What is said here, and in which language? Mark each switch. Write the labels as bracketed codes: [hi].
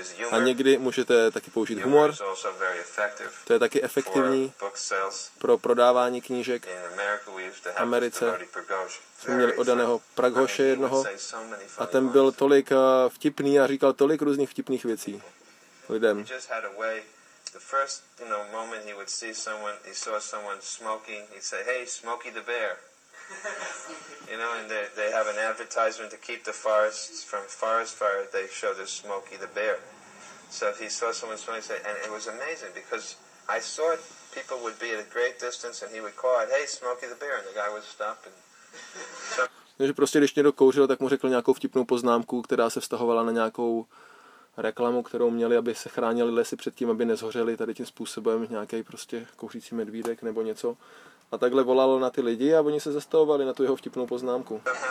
[cs] A někdy můžete taky použít humor. To je taky efektivní pro prodávání knížek. V Americe jsme měli odaného Praghoše jednoho a ten byl tolik vtipný a říkal tolik různých vtipných věcí. Lidem. [en] The first, you know, moment he would see someone, he saw someone smoking, he'd say, "Hey, Smokey the Bear." You know, and they have an advertisement to keep the forests from forest fire. They show this Smokey the Bear. So if he saw someone smoking, he'd say, and it was amazing because I saw it, people would be at a great distance, and he would call out, "Hey, Smokey the Bear," and the guy would stop and. [cs] Takže prostě když někdo kouřil, tak mu řekl nějakou vtipnou poznámku, která se vztahovala na nějakou reklamu, kterou měli, aby se chránili lesy před tím, aby nezhořeli tady tím způsobem nějaký prostě kouřící medvídek nebo něco. A takhle volal na ty lidi a oni se zastavovali na tu jeho vtipnou poznámku.